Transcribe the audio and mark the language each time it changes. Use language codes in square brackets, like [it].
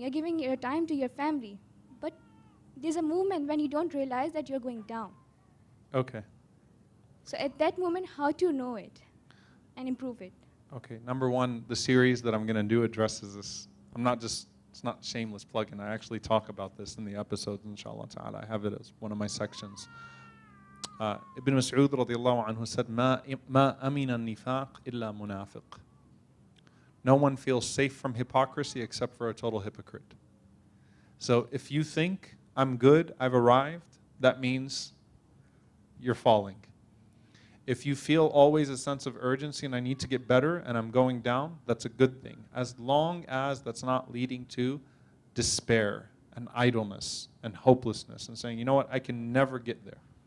[en] You're giving your time to your family. But there's a moment when you don't realize that you're going down. Okay. So at that moment, how to know it and improve it? Okay, number one, the series that I'm gonna do addresses this. It's not shameless plug-in. I actually talk about this in the episodes, inshallah ta'ala. I have it as one of my sections. Ibn Mas'ud radiallahu anhu said, [ar] ما أمين النفاق إلا منافق. [en] No one feels safe from hypocrisy except for a total hypocrite. So if you think I'm good, I've arrived, that means you're falling. If you feel always a sense of urgency and I need to get better and I'm going down, that's a good thing. As long as that's not leading to despair and idleness and hopelessness and saying, you know what, I can never get there.